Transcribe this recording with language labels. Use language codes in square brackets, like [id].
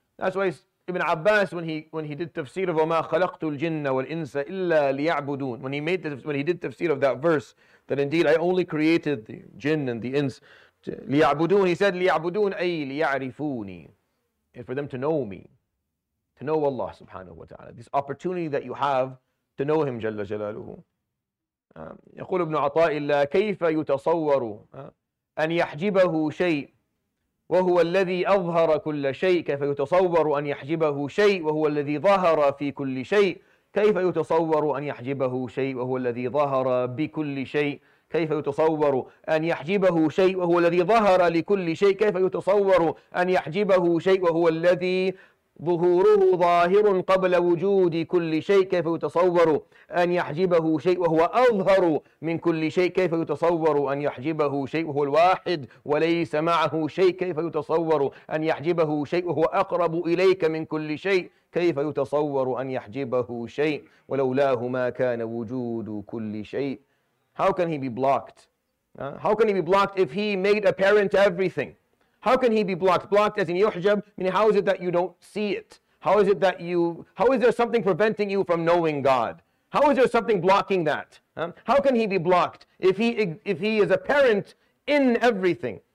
[en] That's why Ibn Abbas, when he did tafsir of [ar] وَمَا خَلَقْتُ الْجِنَّ وَالْإِنسَ إِلَّا لِيَعْبُدُونَ, [en] when he did tafsir of that verse, that indeed I only created the jinn and the ins لِيَعْبُدُونَ, he said [ar] لِيَعْبُدُونَ أَيْ لِيَعْرِفُونِي, [en] and for them to know me, to know Allah subhanahu wa ta'ala, this opportunity that you have to know him جَلَّ جَلَالُهُ. [ar] يقول ابن عطاء الله كيف يتصور أن يحجبه شيء وهو الذي أظهر كل شيء؟ كيف يتصور أن يحجبه شيء وهو الذي ظهر في كل شيء؟ كيف يتصور أن يحجبه شيء وهو الذي ظهر بكل شيء؟ كيف يتصور أن يحجبه شيء وهو الذي ظهر لكل شيء؟ كيف يتصور أن يحجبه شيء وهو الذي ظهوره ظاهر قبل وجود كل شيء؟ كيف يتصور أن يحجبه شيء وهو أظهر من كل شيء؟ كيف يتصور أن يحجبه شيء وهو الواحد وليس معه شيء؟ كيف يتصور أن يحجبه شيء وهو أقرب إليك من كل شيء؟ كيف يتصور أن يحجبه شيء ولولاه ما كان وجود كل شيء؟ [en] How can he be blocked? How can he be blocked if he made apparent everything? How can he be blocked? Blocked as in yuhjab, meaning how is it that you don't see it? How is it that you, how is there something preventing you from knowing God? How is there something blocking that? How can he be blocked if he is apparent in everything?